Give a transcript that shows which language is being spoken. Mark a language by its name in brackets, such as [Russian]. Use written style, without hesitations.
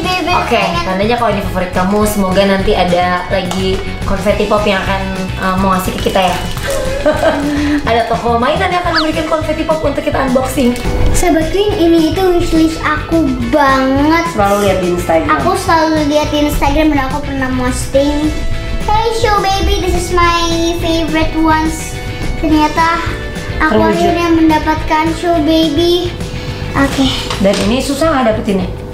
[Indonesian] Oke, okay, tandanya kalau ini favorit kamu, semoga nanti ada lagi konfeti pop yang akan mau ngasih ke kita ya. Ada toko mainan yang akan memberikan konfeti pop untuk kita unboxing. Sebetulnya ini itu wishlist aku banget. Selalu lihat di Instagram. Aku selalu lihat di Instagram dan aku pernah posting. [English] Hey show baby, this is my favorite ones. [Indonesian] Ternyata aku akhirnya mendapatkan show baby. Oke. Dan ini susah nggak dapetinnya?